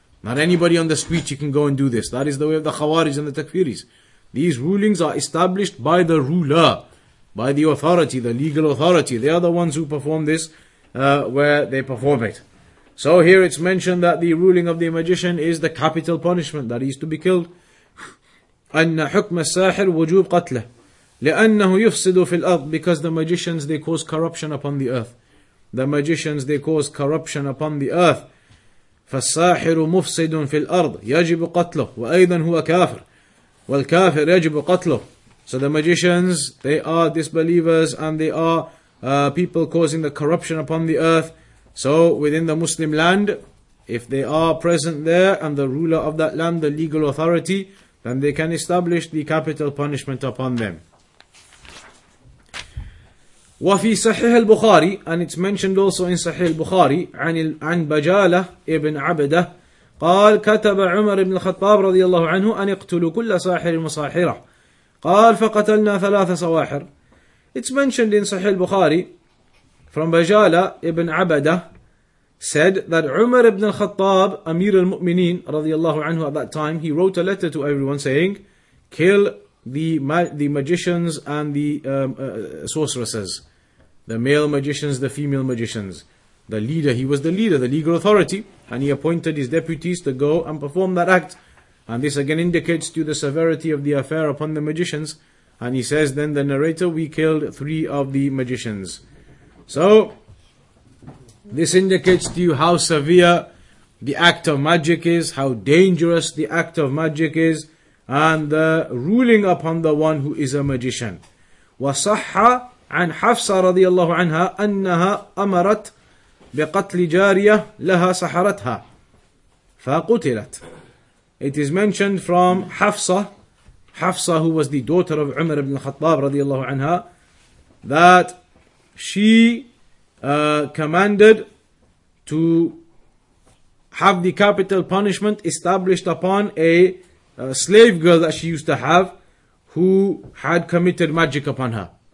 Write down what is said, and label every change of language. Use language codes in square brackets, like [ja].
[en] Not anybody on the street, you can go and do this. That is the way of the Khawarij and the Takfiris. These rulings are established by the ruler, by the authority, the legal authority. They are the ones who perform this, where they perform it. So here it's mentioned that the ruling of the magician is the capital punishment, that he is to be killed. [ar] أن حكم الساحر وجوب قتله لأنه يفسد في الأرض. [en] Because the magicians, they cause corruption upon the earth. The magicians, they cause corruption upon the earth. [ar] فالساحر مفسد في الأرض يجب قتله وأيضا هو كافر والكافر يجب قتله. [en] So the magicians, they are disbelievers and they are people causing the corruption upon the earth. So within the Muslim land, if they are present there and the ruler of that land, the legal authority, then they can establish the capital punishment upon them. [ar] وفي صحيح البخاري, [en] and it's mentioned also in [ar] صحيح البخاري, عن بجالة ابن عبدة قال كتب عمر بن الخطاب رضي الله عنه أن اقتلوا كل ساحر وساحرة قال فقتلنا ثلاثة سواحر. [en] It's mentioned in صحيح البخاري from بجالة ابن عبدة said that Umar ibn al-Khattab, Amir al-Mu'mineen, رضي الله عنه at that time, he wrote a letter to everyone saying, kill the magicians and the sorceresses, the male magicians, the female magicians. The leader, he was the leader, the legal authority, and he appointed his deputies to go and perform that act. And this again indicates to the severity of the affair upon the magicians. And he says, then the narrator, we killed three of the magicians. So this indicates to you how severe the act of magic is, how dangerous the act of magic is, and the ruling upon the one who is a magician. [ar] وَصَحَّ عَنْ حَفْصَ رَضِيَ اللَّهُ عَنْهَا أَنَّهَا أَمَرَتْ بقتل جارية لها سحرتها فقتلت. [en] It is mentioned from Hafsa, Hafsa who was the daughter of Umar ibn al-Khattab radiallahu anha, that she commanded to have the capital punishment established upon a slave girl that she used to have who had committed magic upon her.